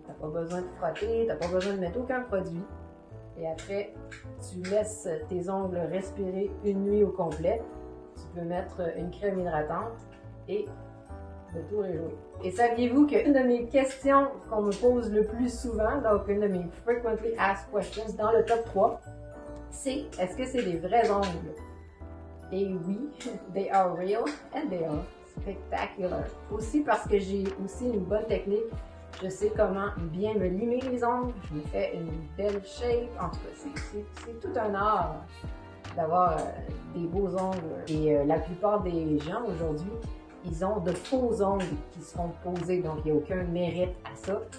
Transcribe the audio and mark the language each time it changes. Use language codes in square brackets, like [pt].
[fr] T'as pas besoin de frotter, t'as pas besoin de mettre aucun produit. Et après, tu laisses tes ongles respirer une nuit au complet. Tu peux mettre une crème hydratante et le tour est joué. Et saviez-vous qu'une de mes questions qu'on me pose le plus souvent, donc une de mes [en] frequently asked questions [fr] dans le top 3, c'est est-ce que c'est des vrais ongles? Et oui, [en] they are real and they are spectacular. [fr] Aussi parce que j'ai aussi une bonne technique, je sais comment bien me limer les ongles, je me fais une belle shape, en tout cas c'est tout un art d'avoir des beaux ongles. Et la plupart des gens aujourd'hui, ils ont de faux ongles qui se font poser, donc il n'y a aucun mérite à ça.